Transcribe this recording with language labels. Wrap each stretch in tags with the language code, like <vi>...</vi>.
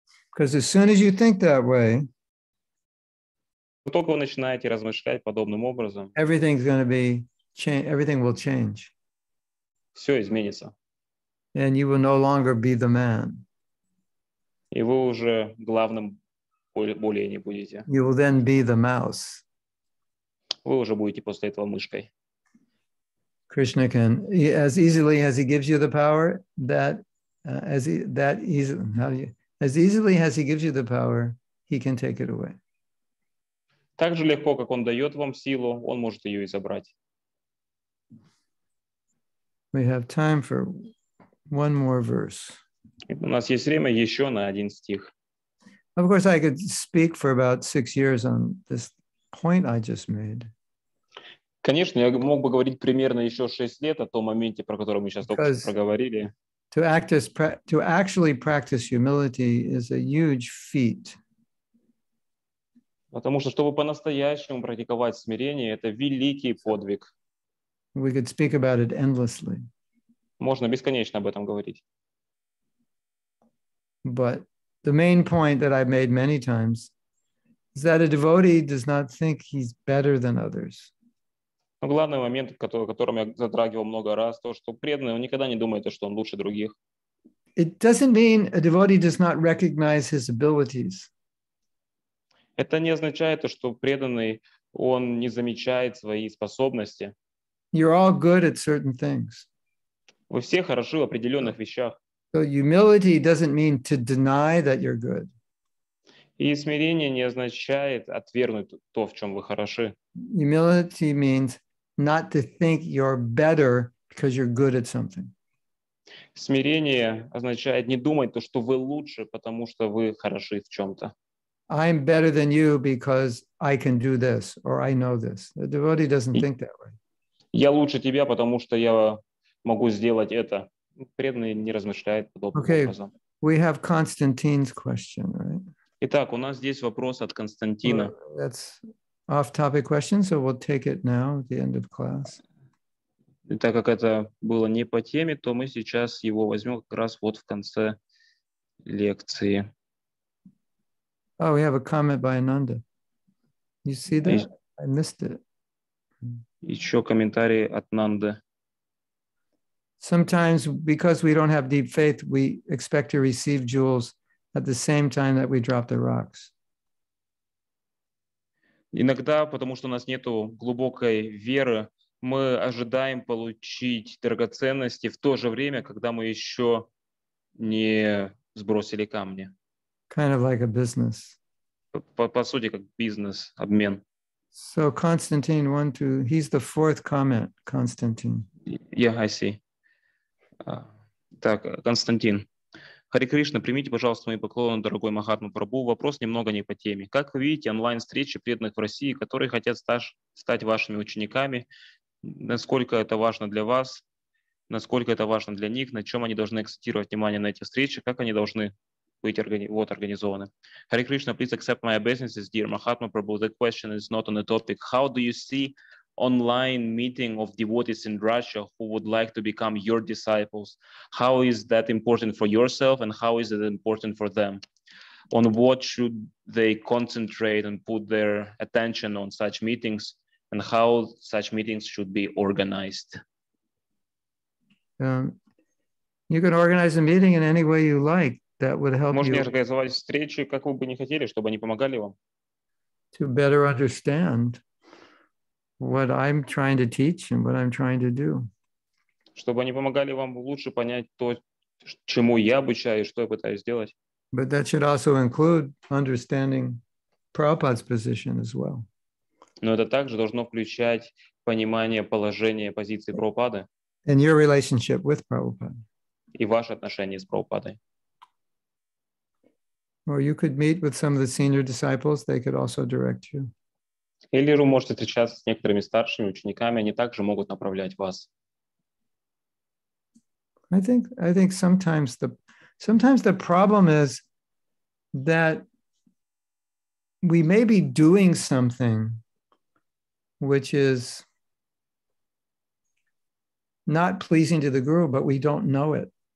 <en>Because as soon as you think that way,</en> <ru>только вы начинаете размышлять подобным образом,</ru> <en>everything's going to be change. Everything will change.</en> <ru>Все изменится.</ru> <en>And you will no longer be the man.</en> <ru>И вы уже главным более не будете.</ru> <en>You will then be the mouse.</en> <ru>Вы уже будете после этого мышкой.</ru> <en>Krishna can, as easily as he gives you the power, that he can take it away.</en> <ru>Так же легко, как он дает вам силу, он может ее и забрать.</ru> <en>We have time for one more verse.</en> <ru>У нас есть время еще на один стих.</ru> <en>Of course, I could speak for about 6 years on this point I just made.</en> <ru>Конечно, я мог бы говорить примерно еще 6 лет о том моменте, про который мы сейчас только проговорили.</ru> <en>To actually practice humility is a huge feat.</en> <ru>Потому что, чтобы по-настоящему практиковать смирение, это великий подвиг.</ru> <en>We could speak about it endlessly.</en> <ru>Можно бесконечно об этом говорить.</ru> <en>But the main point that I've made many times is that a devotee does not think he's better than others.</en> <ru>Но главный момент, которым я затрагивал много раз, то, что преданный, он никогда не думает, что он лучше других.</ru> <en>It doesn't mean a devotee does not recognize his abilities.</en> <ru>Это не означает, что преданный, он не замечает свои способности.</ru> <en>You're all good at certain things.</en> <ru>Вы все хороши в определенных вещах.</ru> <en>So humility doesn't mean to deny that you're good.</en> <ru>И смирение не означает отвергнуть то, в чем вы хороши.</ru> <en>Humility means not to think you're better because you're good at something.</en> <ru>Смирение означает не думать то, что вы лучше, потому что вы хороши в чем-то.</ru> <en>I'm better than you because I can do this or I know this. The devotee doesn't think that way.</en> <ru>Я лучше тебя, потому что я могу сделать это. Преданный не размышляет подобным образом.</ru> <en>Okay. We have Constantine's question, right?</en> <ru>Итак, у нас здесь вопрос от Константина.</ru> <en>Well, that's off-topic question, so we'll take it now at the end of class.</en> <ru>И так как это было не по теме, то мы сейчас его возьмем как раз вот в конце лекции.</ru> <en>Oh, we have a comment by Ananda. You see that? I missed it.</en> <ru>Еще комментарий от Нанды.</ru> <en>Sometimes, because we don't have deep faith, we expect to receive jewels at the same time that we drop the rocks.</en> <ru>Иногда, потому что у нас нету глубокой веры, мы ожидаем получить драгоценности в то же время, когда мы еще не сбросили камни.</ru> <en>Kind of like a business.</en> <ru>По сути, как бизнес, обмен.</ru> <en>So Constantine, 1, 2, he's the fourth comment, Constantine. Yeah, I see.</en> <ru>Так,</ru> <en>Константин.</en> <ru>Харе Кришна, примите, пожалуйста, мои поклоны, дорогой Махатма Прабху. Вопрос немного не по теме. Как вы видите онлайн-встречи преданных в России, которые хотят стать вашими учениками? Насколько это важно для вас? Насколько это важно для них? На чем они должны акцентировать внимание на эти встречи? Как они должны быть организованы?</ru> <en>Харе Кришна, please accept my obeisances, dear Махатма Прабху. The question is not on the topic. How do you see online meeting of devotees in Russia who would like to become your disciples? How is that important for yourself and how is it important for them? On what should they concentrate and put their attention on such meetings and how such meetings should be organized? You can organize a meeting in any way you like that would help you.</en> <ru>Можно организовать встречу, как вы бы не хотели, чтобы они помогали вам.</ru> <en>To better understand what I'm trying to teach and what I'm trying to do.</en> <ru>Чтобы они помогали вам лучше понять то, чему я обучаю и что я пытаюсь делать.</ru> <en>But that should also include understanding Prabhupada's position as well.</en> <ru>Но это также должно включать понимание положения позиции Прабхупады.</ru> <en>And your relationship with Prabhupada.</en> <ru>И ваши отношения с Прабхупадой.</ru> <en>Or you could meet with some of the senior disciples, they could also direct you.</en> <ru>Или вы можете встречаться с некоторыми старшими учениками, они также могут направлять вас.</ru> <en>I think sometimes the problem is that we may be doing something which is not pleasing to the guru, but we don't know it.</en>